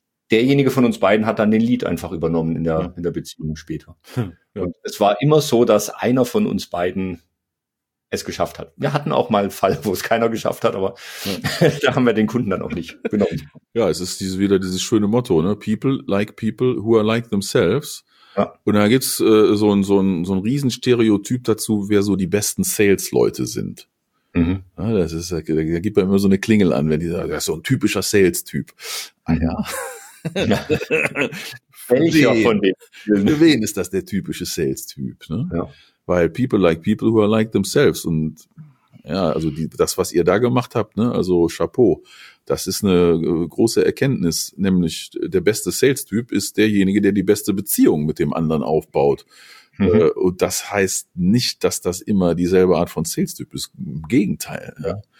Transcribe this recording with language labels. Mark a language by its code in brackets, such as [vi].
[de] Derjenige von uns beiden hat dann den Lead einfach übernommen in der Beziehung später. Ja. Und es war immer so, dass einer von uns beiden es geschafft hat. Wir hatten auch mal einen Fall, wo es keiner geschafft hat, aber da haben wir den Kunden dann auch nicht genommen. Ja, es ist wieder dieses schöne Motto, ne? [en] People like people who are like themselves. [de] Ja. Und da gibt's so ein riesen Stereotyp dazu, wer so die besten Sales-Leute sind. Mhm. Ja, das ist, da gibt man immer so eine Klingel an, wenn die sagen, das ist so ein typischer Sales-Typ. Ah ja. Welcher von denen? Für wen ist das der typische Sales-Typ? Ne? Ja. Weil [en] people like people who are like themselves. [de] Und ja, also das, was ihr da gemacht habt, ne, also Chapeau, das ist eine große Erkenntnis. Nämlich der beste Sales-Typ ist derjenige, der die beste Beziehung mit dem anderen aufbaut. Mhm. Und das heißt nicht, dass das immer dieselbe Art von Sales-Typ ist. Im Gegenteil. Ja. Ja.